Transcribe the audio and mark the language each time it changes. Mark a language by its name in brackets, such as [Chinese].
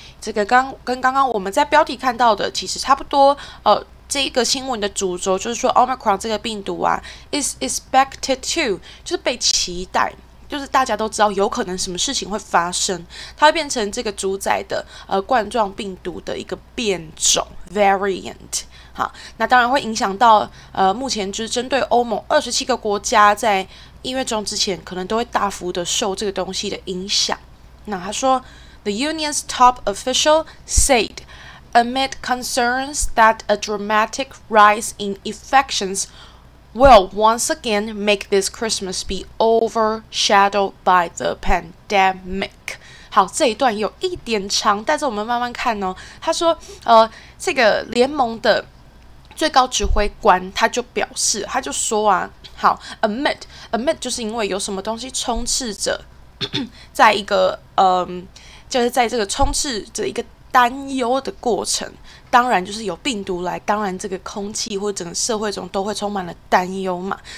[Chinese] 这个跟刚刚我们在标题看到的其实差不多，这个新闻的主轴就是说 Omicron 这个病毒啊 [English] is expected to, [Chinese] 就是被期待，就是大家都知道有可能什么事情会发生，它会变成这个主宰的冠状病毒的一个变种 variant。好，那当然会影响到目前就是针对欧盟27个国家在一月中之前可能都会大幅的受这个东西的影响。那他说 [English] The Union's top official saidAmid concerns that a dramatic rise in infections will once again make this Christmas be overshadowed by the pandemic. [Chinese] 好，这一段有一点长，但是我们慢慢看哦。他说，这个联盟的最高指挥官他就表示，他就说啊，好 ，Amid 就是因为有什么东西充斥着，在一个就是在这个充斥着一个担忧的过程，当然就是有病毒来，当然这个空气或者整个社会中都会充满了担忧嘛。